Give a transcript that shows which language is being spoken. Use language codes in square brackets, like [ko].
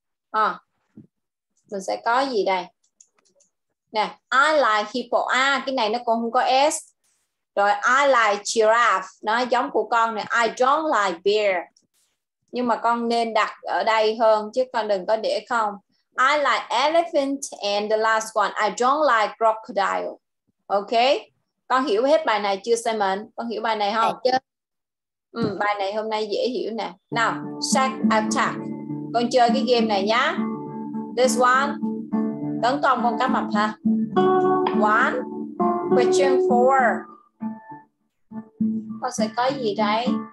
[vi] À, mình sẽ có gì đây? Nè, [en] I like hippo. [vi] Cái này nó còn không có S. Rồi [en] I like giraffe, [vi] nó giống của con này. [en] I don't like bear. [vi] Nhưng mà con nên đặt ở đây hơn chứ con đừng có để không. [en] I like elephant and the last one, I don't like crocodile. [vi] Ok, con hiểu hết bài này chưa Simon? Con hiểu bài này không? Chưa. Ừ, bài này hôm nay dễ hiểu nè. Nào, shark attack. Con chơi cái game này nhá. [en] This one, [vi] tấn công con cá mập ha. [en] One, question four. [vi] Con sẽ có gì đây?